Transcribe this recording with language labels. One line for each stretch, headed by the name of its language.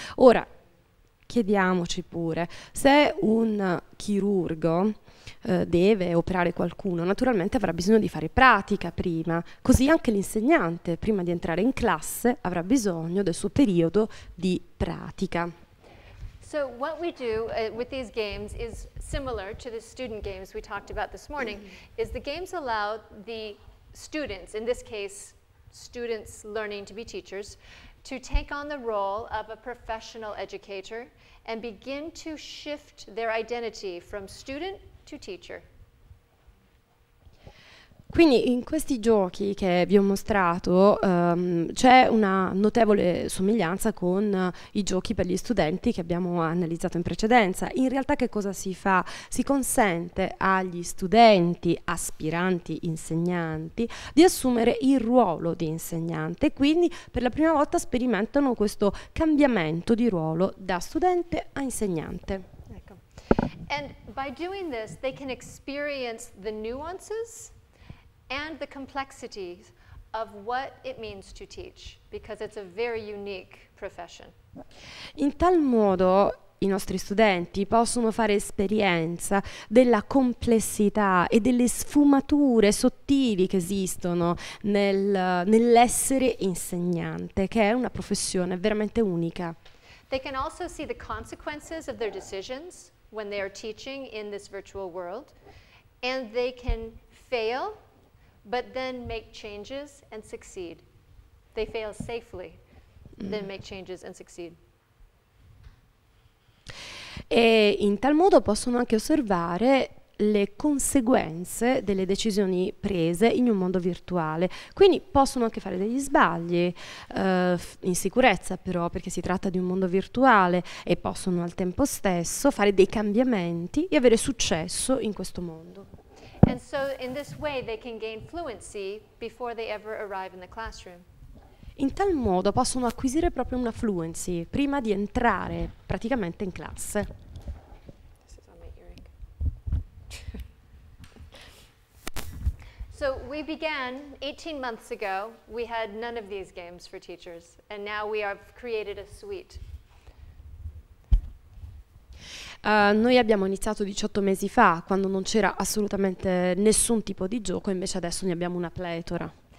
Italian: Ora, chiediamoci pure, se un chirurgo deve operare qualcuno, naturalmente avrà bisogno di fare pratica prima, così anche l'insegnante, prima di entrare in classe, avrà bisogno del suo periodo di pratica.
English: So what we do with these games is similar to the student games we talked about this morning, is the games allow the students, in this case, students learning to be teachers, to take on the role of a professional educator and begin to shift their identity from student to teacher.
Italian: Quindi in questi giochi che vi ho mostrato c'è una notevole somiglianza con i giochi per gli studenti che abbiamo analizzato in precedenza. In realtà che cosa si fa? Si consente agli studenti, aspiranti insegnanti, di assumere il ruolo di insegnante, quindi per la prima volta sperimentano questo cambiamento di ruolo da studente a insegnante. Ecco.
English: And by doing this they can experience the nuances and the complexities of what it means to teach, because it's a very unique profession.
Italian: In tal modo i nostri studenti possono fare esperienza della complessità e delle sfumature sottili che esistono nell'essere insegnante, che è una professione veramente unica.
English: They can also see the consequences of their decisions when they are teaching in this virtual world, and they can fail but then make changes and succeed. They fail safely, then make changes and succeed.
Italian: E in tal modo possono anche osservare le conseguenze delle decisioni prese in un mondo virtuale. Quindi possono anche fare degli sbagli, in sicurezza però, perché si tratta di un mondo virtuale, e possono al tempo stesso fare dei cambiamenti e avere successo in questo mondo.
English: And so in this way they can gain fluency before they ever arrive in the classroom.
Italian: In tal modo possono acquisire proprio una fluency prima di entrare praticamente in classe.
English: This is on my earring. So we began 18 months ago, we had none of these games for teachers, and now we have created a suite.
Italian: Noi abbiamo iniziato 18 mesi fa, quando non c'era assolutamente nessun tipo di gioco, invece adesso ne abbiamo una pletora.